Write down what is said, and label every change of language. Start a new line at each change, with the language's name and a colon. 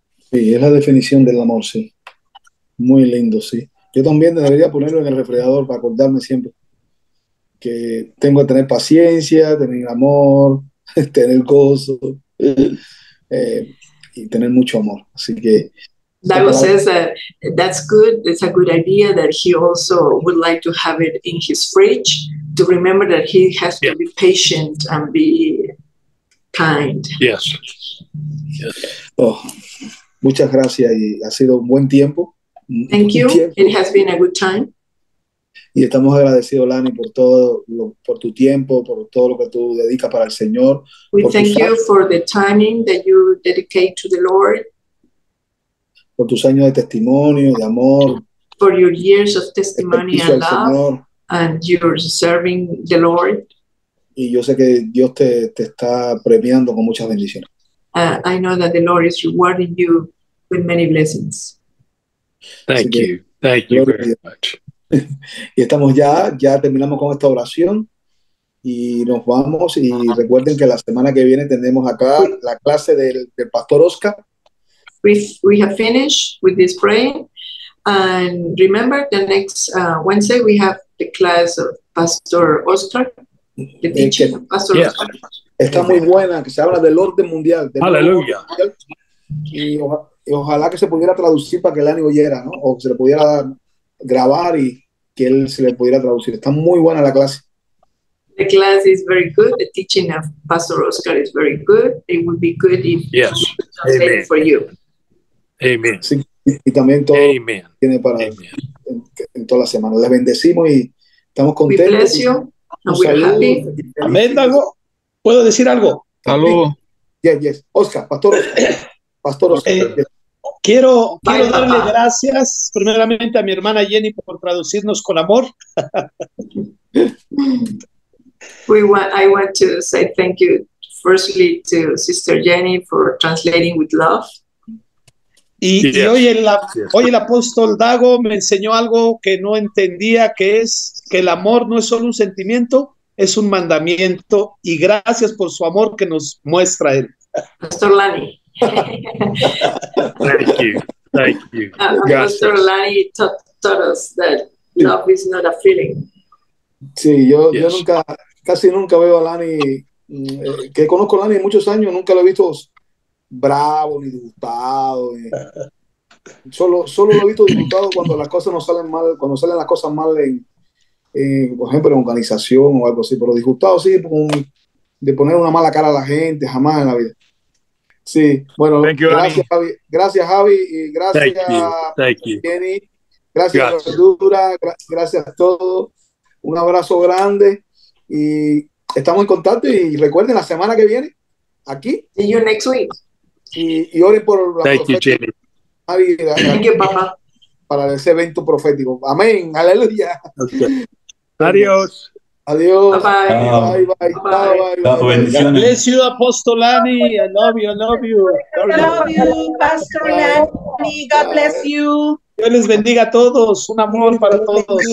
Spanish: Sí, es la definición del amor, sí. Muy lindo, sí. Yo también debería ponerlo en el refrigerador para acordarme siempre que tengo que tener paciencia, tener amor, tener gozo y tener mucho amor. Así que...
English: That was says that that's good. It's a good idea that he also would like to have it in his fridge to remember that he has to be patient and be kind. Yes.
Spanish: Oh, muchas gracias y ha sido un buen tiempo.
English: Thank you. It has been a good time.
Spanish: Y estamos agradecidos, Lanny, por todo lo, por tu tiempo, por todo lo que tú dedicas para el Señor.
English: We thank you for the timing that you dedicate to the Lord.
Spanish: Por tus años de testimonio, de amor.
English: For your years of testimony and love. Señor. And you're serving the Lord.
Spanish: Y yo sé que Dios te está premiando con muchas bendiciones.
English: I know that the Lord is rewarding you with many blessings. Thank you very much.
Spanish: Y estamos ya terminamos con esta oración. Y nos vamos. Y recuerden que la semana que viene tenemos acá la clase del Pastor Oscar.
English: We have finished with this praying, and remember the next Wednesday we have the class of Pastor Oscar, the teaching of Pastor Oscar.
Spanish: Está muy buena, que se habla del orden mundial. Aleluya. Y ojalá que se pudiera traducir para que Lanny oyera, ¿no? O que se le pudiera grabar y que él se le pudiera traducir. Está muy buena la clase.
English: The class is very good. The teaching of Pastor Oscar is very good. It would be good if yes. he would translate for you. Amen.
Spanish: Sí, y también todo
English: Amen.
Spanish: Tiene para Amen. En toda la semana. Les bendecimos y estamos contentos.
English: We bless you. And we're happy.
Spanish: Amén, Dago. ¿Puedo decir algo? Saludos.
English: Yes, yes. Oscar, Pastor Oscar. Pastor Oscar.
Spanish: Quiero darle gracias primeramente a mi hermana Jenny por traducirnos con amor.
English: I want to say thank you firstly to Sister Jenny for translating with love.
Spanish: Y hoy el apóstol Dago me enseñó algo que no entendía, que es que el amor no es solo un sentimiento, es un mandamiento, y gracias por su amor que nos muestra él. Pastor Lanny.
English: Thank you. Pastor Lanny taught us that love is not a feeling.
Spanish: Sí, yo nunca... Casi nunca veo a Lanny, que conozco a Lanny muchos años, nunca lo he visto bravo ni disgustado. Solo lo he visto disgustado cuando las cosas no salen mal, cuando salen las cosas mal en por ejemplo, en organización o algo así, pero disgustado sí, de poner una mala cara a la gente, jamás en la vida. Sí, bueno, gracias Javi, y gracias Jenny, gracias Verdura, gracias a todos, un abrazo grande. Y estamos en contacto y recuerden la semana que viene aquí.
English: See you next week.
Spanish: Y oren por la profeta.
English: Thank you, Jimmy. Thank you, Papa.
Spanish: Para ese evento profético. Amén. Aleluya. Okay. Adiós. Adiós.
English: Bye bye. Bless you, Apostle Lanny. I love you. I love you, Pastor Lanny. God bless you.
Spanish: Dios les bendiga a todos. Un amor para todos.